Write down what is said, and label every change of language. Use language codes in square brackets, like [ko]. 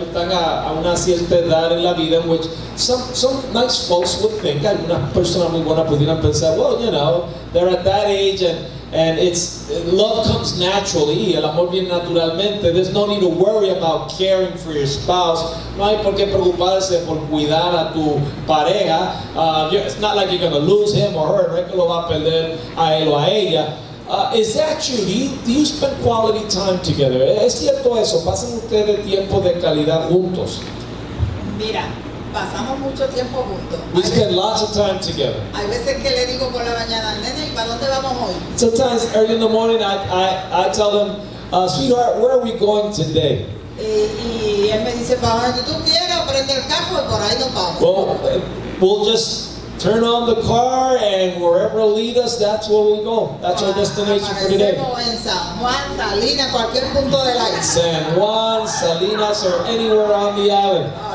[es] Están a una cierta edad en la vida en [en] which some nice folks would think, [es] una persona muy buena pudiera pensar, [en] well, you know, they're at that age and it's love comes naturally, [es] el amor viene naturalmente. [en] There's no need to worry about caring for your spouse. [es] No hay por qué preocuparse por cuidar a tu pareja. [en] It's not like you're going to lose him or her. [es] No es que lo va a perder a él o a ella. [en] Is that true? Do you spend quality time together? [es] ¿Es cierto eso? ¿Pasan ustedes tiempo de calidad juntos? Mira, pasamos mucho tiempo juntos. [en] We spend lots of time together. [es] Hay veces que le digo por la mañana, nene, ¿y para dónde vamos hoy? [en] Sometimes early in the morning I tell them, sweetheart, where are we going today? [es] Y él me dice, para donde tú quieras, prende el carro y por ahí nos vamos. [en] Well, we'll just turn on the car, and wherever it leads us, that's where we go. That's our destination for today. San Juan, Salinas, or anywhere on the island.